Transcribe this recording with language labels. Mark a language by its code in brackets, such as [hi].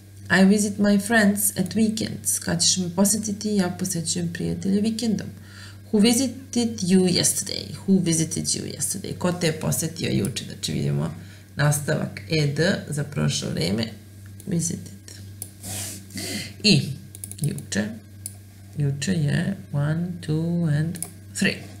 [en] I visit my friends at weekends. [sr] Kad ćeš me posetiti, ja posećujem prijatelje vikendom. [en] Who visited you yesterday? Who visited you yesterday? [sr] Ko te je posetio juče? Znači vidimo nastavak ed za prošlo vreme. Visited. I juče. Juče je [en] one, two and three.